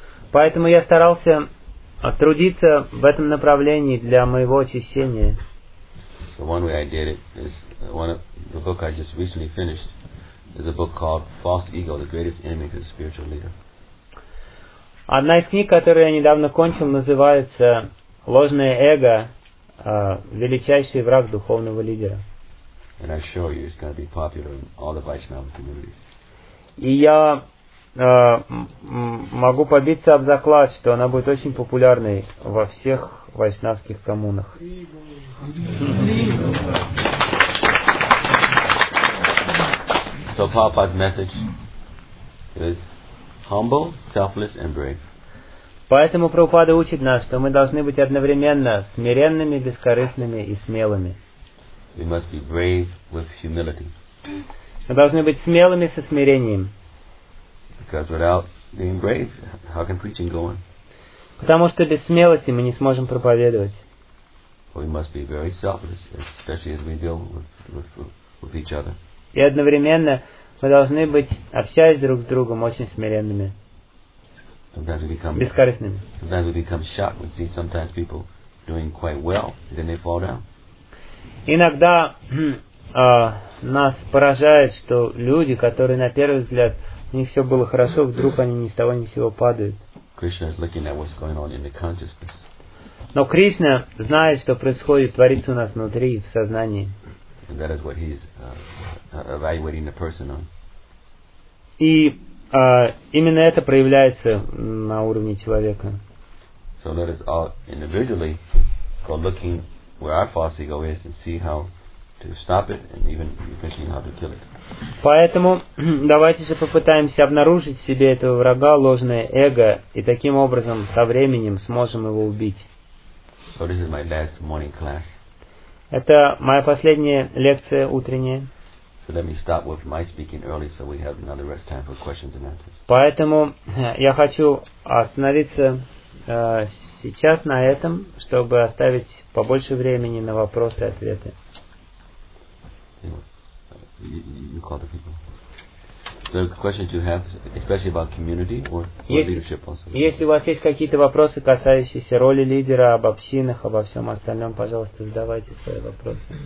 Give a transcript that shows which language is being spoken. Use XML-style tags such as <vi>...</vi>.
<ru>Поэтому я старался трудиться в этом направлении для моего очищения.</ru> <en>So one way I did it is one of the book I just recently finished is a book called False Ego, the Greatest Enemy to the Spiritual Leader.</en> <ru>Одна из книг, которую я недавно кончил, называется «Ложное эго». Величайший враг духовного лидера.</ru> <en>And I assure you, it's going to be popular in all the Vaishnava communities.</en> <ru>И я могу побиться об заклад, что она будет очень популярной во всех вайшнавских коммунах.</ru> <en>So Prabhupada's message is humble, selfless, and brave.</en> <ru>Поэтому Прабхупада учит нас, что мы должны быть одновременно смиренными, бескорыстными и смелыми.</ru> <en>We must be brave with humility.</en> <ru>Мы должны быть смелыми со смирением.</ru> <en>Because without being brave, how can preaching go on?</en> <ru>Потому что без смелости мы не сможем проповедовать.</ru> <en>We must be very selfless, especially as we deal with each other.</en> <ru>И одновременно мы должны быть, общаясь друг с другом, очень смиренными. Бескорыстными.</ru> <en>Sometimes we become shocked. We see sometimes people doing quite well, and then they fall down.</en> <ru>Иногда нас поражает, что люди, которые на первый взгляд, у них все было хорошо, вдруг они ни с того ни с сего падают.</ru> <en>Krishna is looking at what's going on in the consciousness.</en> <ru>Но Кришна знает, что происходит, творится у нас внутри, в сознании.</ru> <en>And that is what he's evaluating the person on.</en> <ru>И именно это проявляется на уровне человека.</ru> <en>So let us all individually go looking where our false ego is and see how to stop it and even eventually how to kill it.</en> <ru>Поэтому давайте же попытаемся обнаружить в себе этого врага, ложное эго, и таким образом со временем сможем его убить.</ru> <en>So this is my last morning class.</en> <ru>Это моя последняя лекция утренняя.</ru> <en>So let me stop with my speaking early so we have another rest time for questions and answers. Поэтому я хочу остановиться сейчас на этом, чтобы оставить побольше времени на вопросы и ответы. You call the people. So questions you have, especially about community or leadership also.</en> <ru>Если у вас есть какие-то вопросы, касающиеся роли лидера, об общинах, обо всем остальном, пожалуйста, задавайте свои вопросы.</ru>